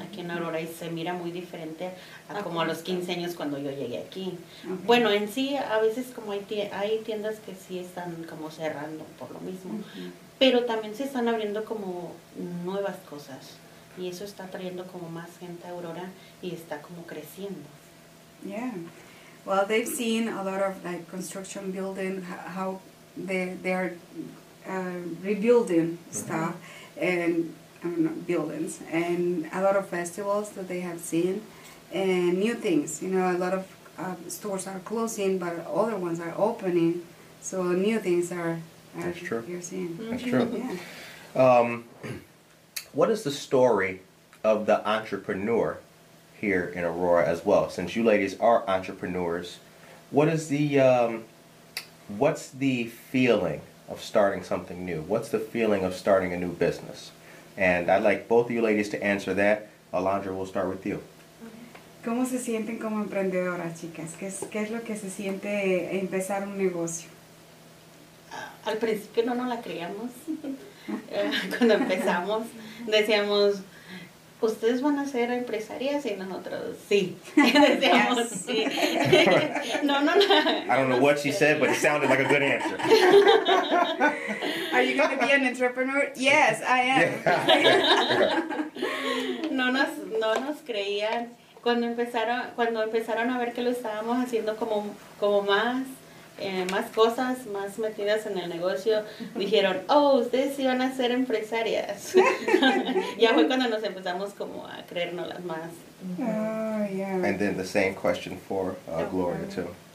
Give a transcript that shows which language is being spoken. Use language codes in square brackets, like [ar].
[es] Aquí en Aurora y se mira muy diferente a como a los 15 años cuando yo llegué aquí. Ajá. Bueno, en sí, a veces como hay tiendas que sí están como cerrando por lo mismo. Ajá. Pero también se están abriendo como nuevas cosas. Y eso está trayendo como más gente a Aurora y está como creciendo. [en] Yeah. Well, they've seen a lot of like construction building, how they are rebuilding stuff and buildings, and a lot of festivals that they have seen, and new things. You know, a lot of stores are closing, but other ones are opening. So new things are That's true. You're seeing. That's true. Yeah. What is the story of the entrepreneur here in Aurora as well? Since you ladies are entrepreneurs, what is the what's the feeling of starting something new? What's the feeling of starting a new business? And I'd like both of you ladies to answer that. Alondra, we'll start with you. [es] ¿Cómo se sienten como emprendedoras, chicas? ¿Qué es lo que se siente empezar un negocio? Al principio no nos la creíamos. Cuando empezamos, decíamos, ¿ustedes van a ser empresarias? Y nosotros, sí. Decíamos, yes. Sí. No, no, no. [en] I don't know what she said, but it sounded like a good answer. Are you going to be an entrepreneur? Yes, I am. Yeah. [es] No nos creían. Cuando empezaron a ver que lo estábamos haciendo como más, más cosas, más metidas en el negocio, dijeron, oh, ustedes sí van a ser empresarias. Ya fue cuando nos empezamos como a creernos las más. [en] Yeah. And then the same question for Gloria, too.